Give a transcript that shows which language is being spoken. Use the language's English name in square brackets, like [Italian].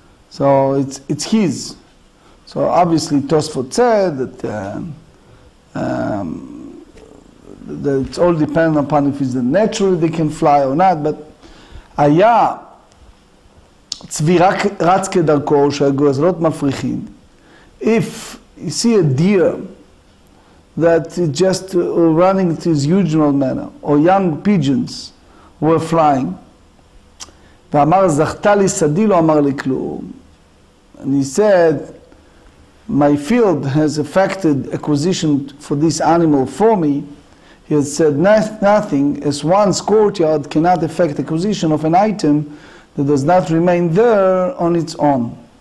[English] So it's his. So obviously Tosfot said that it's all dependent upon if it's naturally they can fly or not, but [Hebrew] Aya Tzvi Ratz Kedarko Shagozlot Mafrichin. [English] If you see a deer that it just running to his usual manner, or young pigeons were flying. [Hebrew] ואמר זכתה לי סדי לא אמר לי כלום. [English] And he said, my field has affected acquisition for this animal for me. He has said nothing, as one's courtyard cannot affect acquisition of an item that does not remain there on its own.